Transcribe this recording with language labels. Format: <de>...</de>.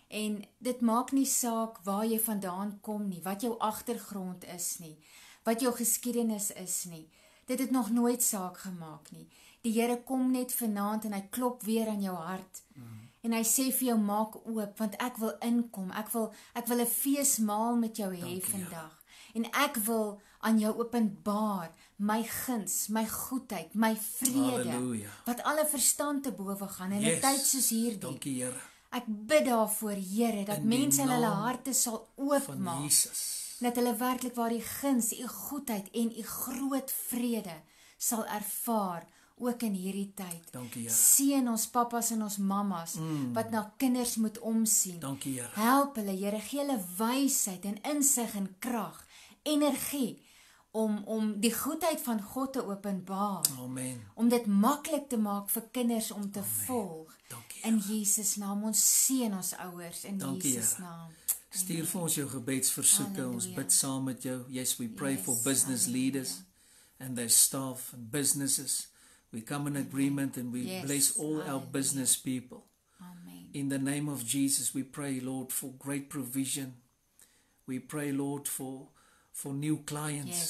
<af>En dit maak nie saak waar jy vandaan kom nie, wat jou agtergrond is nie, wat jou geskiedenis is nie. Dit het nog nooit saak gemaak nie. Die Here kom net vanaand en hy klop weer aan jou hart. Mm. En hy sê vir jou, maak oop, want ek wil inkom. Ek wil 'n feesmaal met jou hê vandag. En ek wil aan jou openbaar my guns, my goedheid, my vrede. Halleluja. Wat alle verstand te boven gaan in 'n tyd soos hierdie. Dankie, Here. Ek bid daarvoor, Here, dat mense hulle harte sal oopmaak. Jesus. Dat hulle werklik waar die guns, die goedheid en die groot vrede sal ervaar. Ook in hierdie tyd. Dankie, Heer. Seën ons papas en ons mamas, wat na kinders moet omsien. Dankie, Heer. Help hulle, Heer, gee hulle wysheid en insig en krag, energie, om die goedheid van God te openbaar. Amen. Om dit maklik te maak vir kinders om te volg. Dankie, Heer. In Jesus naam, ons seën ons ouers, in Dankie, Jesus naam. Stuur vir ons jou gebedsversoeke, ons bid saam met jou.</af> <en>Yes, we pray for business leaders, and their staff, and businesses. We come in agreement and we bless all our business people. Amen. In the name of Jesus, we pray, Lord, for great provision. We pray, Lord, for new clients.</en>